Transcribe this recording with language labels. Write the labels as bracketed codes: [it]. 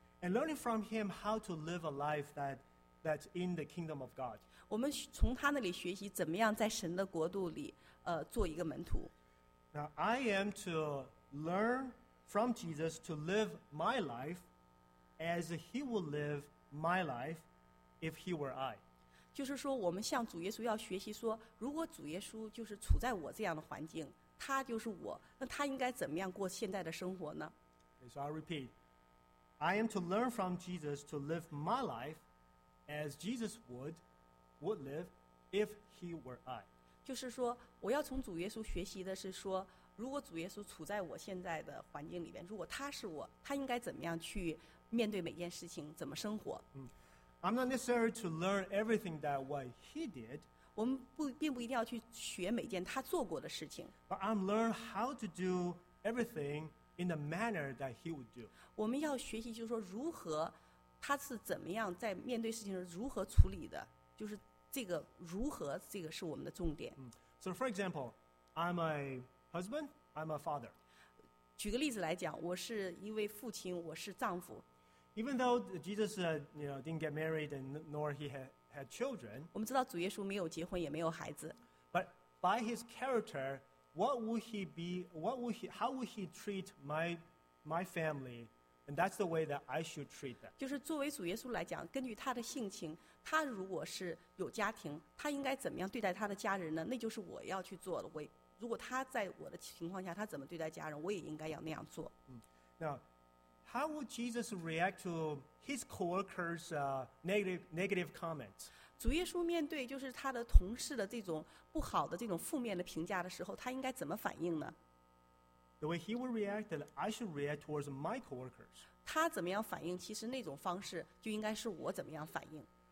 [en] And learning from him how to live a life that's in the kingdom of God. [zh] 我们从他那里学习怎么样在神的国度里，做一个门徒。 [en] Now I am to learn from Jesus to live my life. As he will live my life, if he were I. [zh] 就是说，我们向主耶稣要学习说，如果主耶稣就是处在我这样的环境，他就是我，那他应该怎么样过现在的生活呢？ [en] Okay, so I repeat, I am to learn from Jesus to live my life as Jesus would live if he were I. [zh] 就是说，我要从主耶稣学习的是说，如果主耶稣处在我现在的环境里边，如果他是我，他应该怎么样去？面对每件事情怎么生活 [en] ？I'm not necessary to learn everything that what he did. [zh] 我们并不一定要去学每件他做过的事情。 [en] But I'm learn how to do everything in the manner that he would do. [zh] 我们要学习，就是说如何他是怎么样在面对事情时如何处理的，就是这个如何这个是我们的重点。 [en] So for example, I'm a husband. I'm a father. [zh] 举个例子来讲，我是一位父亲，我是丈夫。 [en] Even though Jesus, you know, didn't get married and nor he had children, [zh] 我们知道主耶稣没有结婚，也没有孩子。 [en] But by his character, what would he be? What would he? How would he treat my family? And that's the way that I should treat them. [zh] 就是作为主耶稣来讲，根据他的性情，他如果是有家庭，他应该怎么样对待他的家人呢？那就是我要去做的。我如果他在我的情况下，他怎么对待家人，我也应该要那样做。 [en] Now. How would Jesus react to his coworkers' negative comments? [zh] 主耶稣面对就是他的同事的这种不好的这种负面的评价的时候，他应该怎么反应呢？ [en] The way he would react, that I should react towards my coworkers. [zh] 他怎么样反应？其实那种方式就应该是我怎么样反应。